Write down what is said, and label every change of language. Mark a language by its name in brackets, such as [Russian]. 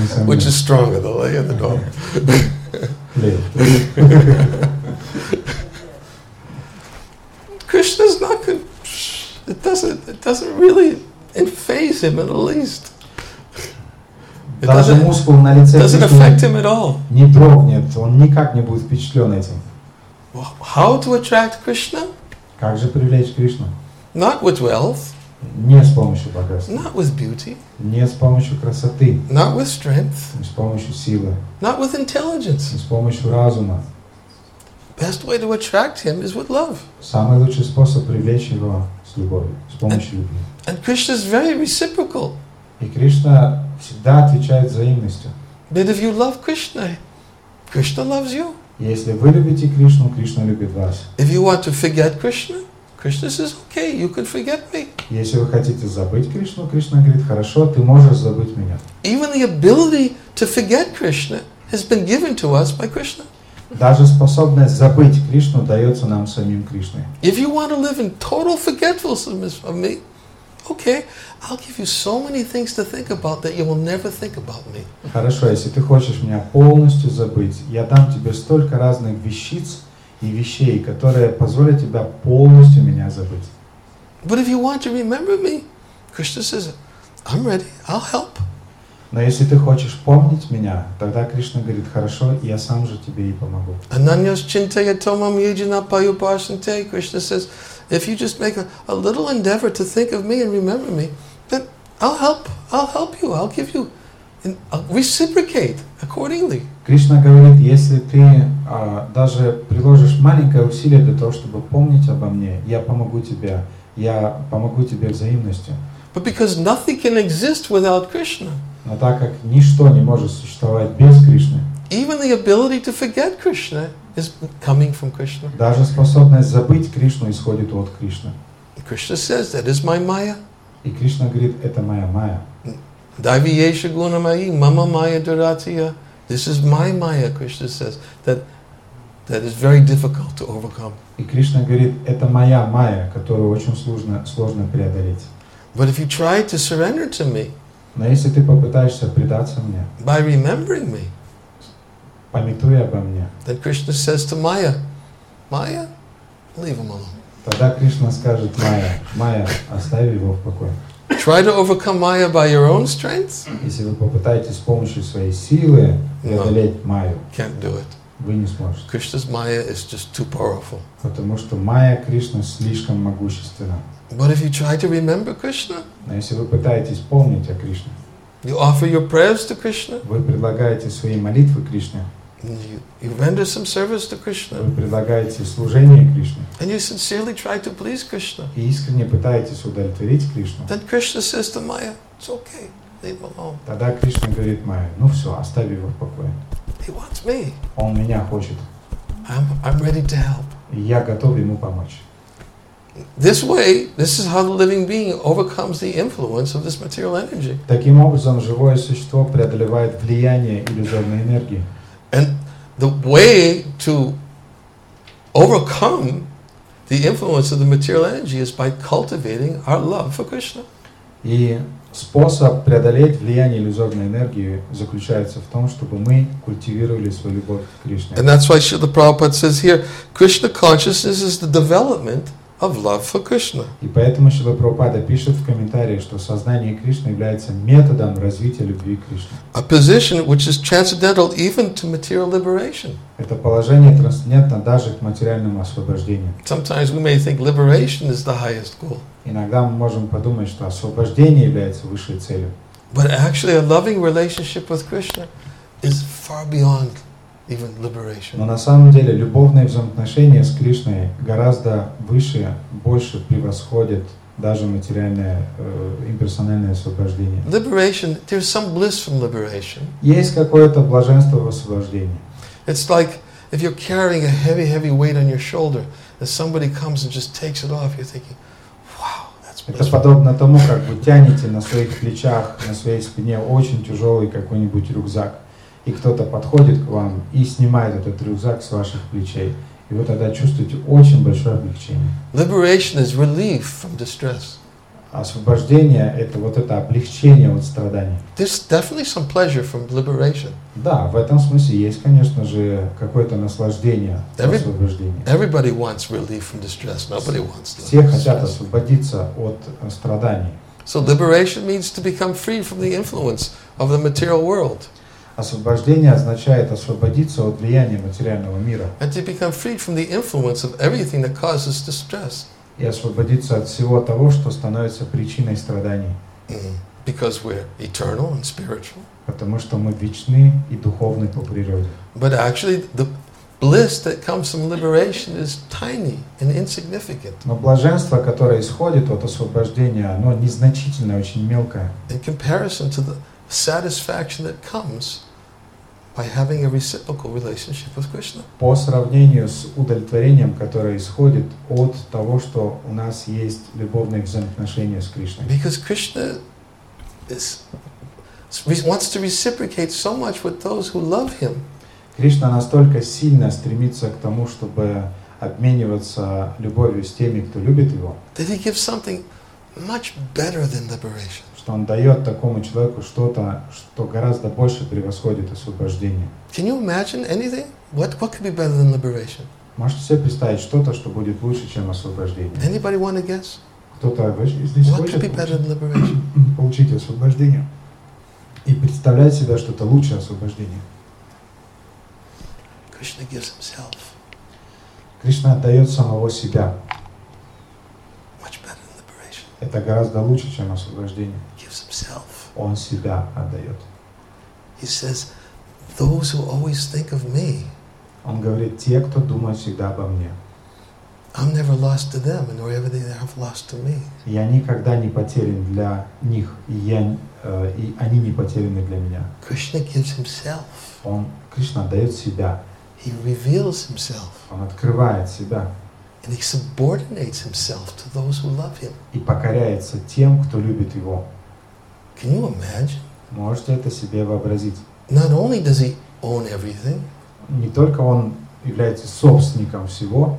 [English] Which is stronger, the lei or the dollar? Krishna's not good. It doesn't really phase him in the least. It doesn't affect him at all. [Russian] Не трогнет, он никак не будет впечатлен этим. [English] How to attract Krishna? [Russian] Как же привлечь Кришну? [English] Not with wealth. [Russian] Не с помощью богатства. [English] Not with beauty. [Russian] Не с помощью красоты. [English] Not with strength. [Russian] Не с помощью силы. [English] Not with intelligence. [Russian] Не с помощью разума. [English] Best way to attract him is with love. [Russian] Самый лучший способ привлечь его с любовью, с помощью любви. [English] And Krishna is very reciprocal. [Russian] И Кришна всегда отвечает взаимностью. [English] But if you love Krishna, Krishna loves you. [Russian] Если вы любите Кришну, Кришна любит вас. [English] If you want to forget Krishna, Krishna says, okay, you can forget me. [Russian] Если вы хотите забыть Кришну, Кришна говорит, хорошо, ты можешь забыть меня. [English] Even the ability to forget Krishna has been given to us by Krishna. [Russian] Даже способность забыть Кришну дается нам самим Кришной. [English] If you want to live in total forgetfulness of me, okay, I'll give you so many things to think about that you will never think about me. [Russian] Хорошо, если ты хочешь меня полностью забыть, я дам тебе столько разных вещиц и вещей, которые позволят тебе полностью меня забыть. [English] But if you want to remember me, Krishna says, I'm ready, I'll help. [Russian] Но если ты хочешь помнить меня, тогда Кришна говорит, хорошо, я сам же тебе и помогу. [Sanskrit] Ananyas chintaya tomam yujana payuparshante, [English] Krishna says, if you just make a little endeavor to think of me and remember me, then I'll help you. I'll give you reciprocate accordingly. [Russian] Кришна говорит, если ты даже приложишь маленькое усилие для того, чтобы помнить обо мне, я помогу тебе взаимностью. [English] But because nothing can exist without Krishna. [Russian] Но так как ничто не может существовать без Кришны. [English] Even the ability to forget Krishna is coming from Krishna. [Russian] Даже способность забыть Кришну исходит от Кришны. [English] Krishna says that is my Maya. [Russian] И Кришна говорит, это моя Майя. [Sanskrit] Давиеша гуна майи, мама майя дуратия. [English] This is my Maya, Krishna says. That is very difficult to overcome. [Russian] И Кришна говорит, это моя Майя, которую очень сложно преодолеть. [English] But if you try to surrender to me, [Russian] но если ты попытаешься предаться мне, [English] by remembering me, [Russian] памятуя обо мне, [English] then Krishna says to Maya, Maya, leave him alone. [Russian] Тогда Кришна скажет Майя, оставь его в покое. [English] Try to overcome Maya by your own strength. [Russian] Если вы попытаетесь с помощью своей силы преодолеть Майю, [English] can't do it. [Russian] Вы не сможете. [English] Krishna's Maya is just too powerful. [Russian] Потому что Майя Кришны слишком могущественна. [English] But if you try to remember Krishna, [Russian] но если вы пытаетесь помнить о Кришне, [English] you offer your prayers to Krishna, [Russian] вы предлагаете свои молитвы Кришне, [English] you render some service to Krishna, [Russian] вы предлагаете служение Кришне, [English] and you sincerely try to please Krishna, [Russian] и искренне пытаетесь удовлетворить Кришну, [English] then Krishna says to Maya, it's okay, leave him alone. [Russian] Тогда Кришна говорит Майе, ну все, оставь его в покое. [English] He wants me. [Russian] Он меня хочет. [English] I'm ready to help. [Russian] И я готов ему помочь. [English] This way, this is how the living being overcomes the influence of this material energy. [Russian] Таким образом, живое существо преодолевает влияние иллюзорной энергии. [English] And the way to overcome the influence of the material energy is by cultivating our love for Krishna. [Russian] И способ преодолеть влияние иллюзорной энергии заключается в том, чтобы мы культивировали свою любовь к Кришне. [English] And that's why Srila Prabhupada says here, Krishna consciousness is the development of love for Krishna. [Russian] И поэтому Шрила Прабхупада пишет в комментарии, что сознание Кришны является методом развития любви к Кришне. [English] A position which is transcendental even to material liberation. [Russian] Это положение трансцендентно даже к материальному освобождению. [English] Sometimes we may think liberation is the highest goal. [Russian] Иногда мы можем подумать, что освобождение является высшей целью. [English] But actually a loving relationship with Krishna is far beyond even liberation. [Russian] Но на самом деле любовные взаимоотношения с Кришной гораздо выше, больше превосходят даже материальное имперсональное освобождение. [English] Liberation, there's some bliss from liberation. [Russian] Есть какое-то блаженство в освобождении. [English] It's like if you're carrying a heavy, heavy weight on your shoulder, and somebody comes and just takes it off, you're thinking, wow, that's blissful. [Russian] Это подобно тому, как вы тянете на своих плечах, на своей спине очень тяжелый какой-нибудь рюкзак. И кто-то подходит к вам и снимает этот рюкзак с ваших плечей. И вы тогда чувствуете очень большое облегчение. [English] Liberation is relief from distress. [Russian] Освобождение – это вот это облегчение от страданий. [English] There's definitely some pleasure from liberation. [Russian] Да, в этом смысле есть, конечно же, какое-то наслаждение от освобождения. [English] Everybody wants relief from distress. Nobody wants distress. [Russian] Все хотят освободиться от страданий. [English] So liberation means to become free from the influence of the material world. [Russian] Освобождение означает освободиться от влияния материального мира. [English] And to become free from the influence of everything that causes distress. [Russian] И освободиться от всего того, что становится причиной страданий. [English] Because we're eternal and spiritual. [Russian] Потому что мы вечны и духовны по природе. [English] But actually, the bliss that comes from liberation is tiny and insignificant. [Russian] Но блаженство, которое исходит от освобождения, оно незначительное, очень мелкое. [English] In comparison to the satisfaction that comes by having a reciprocal relationship with Krishna. [Russian] По сравнению с удовлетворением, которое исходит от того, что у нас есть любовные взаимоотношения с Кришной. [English] Because Krishna wants to reciprocate so much with those who love him. [Russian] Кришна настолько сильно стремится к тому, чтобы обмениваться любовью с теми, кто любит его. [English] That he gives something much better than liberation. [Russian] Что он дает такому человеку что-то, что гораздо больше превосходит освобождение. [English] Can you imagine anything? What could be better than liberation? [Russian] Можете себе представить что-то, что будет лучше, чем освобождение? [English] Anybody want to guess? [Russian] Кто-то здесь [English] what [Russian] хочет [English] could be better [Russian] получить, [English] than liberation? [Russian] Получить освобождение и представлять себя что-то лучше освобождения. [English] Krishna gives himself. [Russian] Кришна отдает самого себя. [English] Much better. [Russian] Это гораздо лучше, чем освобождение. [English] Gives himself. [Russian] Он себя отдает. [English] He says, those who always think of me. [Russian] Он говорит, те, кто думает всегда обо мне. [English] I'm never lost to them, nor ever they have lost to me. [Russian] Я никогда не потерян для них, и они не потеряны для меня. [English] Krishna gives himself. [Russian] Он, Кришна дает себя. [English] He reveals himself. [Russian] Он открывает себя. [English] And he subordinates himself to those who love him. [Russian] И покоряется тем, кто любит его. [English] Can you imagine? [Russian] Можете это себе вообразить? [English] Not only does he own everything. [Russian] Не только он является собственником всего.